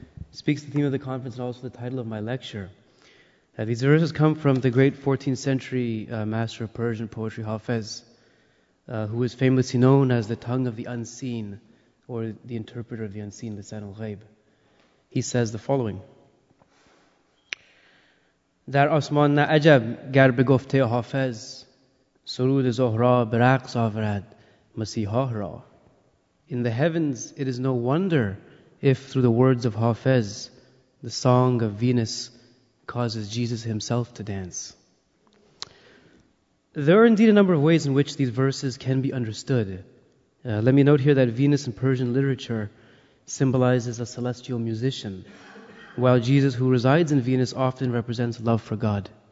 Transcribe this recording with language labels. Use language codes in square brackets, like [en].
[en] Speaks to the theme of the conference and also the title of my lecture. These verses come from the great 14th century master of Persian poetry, Hafez, who is famously known as the tongue of the unseen, or the interpreter of the unseen, Lisan al-Ghayb. He says the following. [fa] در آسمان نه عجب گر به گفته حافظ سرود زهرا به رقص آورد مسیحا را. [en] In the heavens, it is no wonder if through the words of Hafez, the song of Venus causes Jesus himself to dance. There are indeed a number of ways in which these verses can be understood. Let me note here that Venus in Persian literature symbolizes a celestial musician, while Jesus, who resides in Venus, often represents love for God.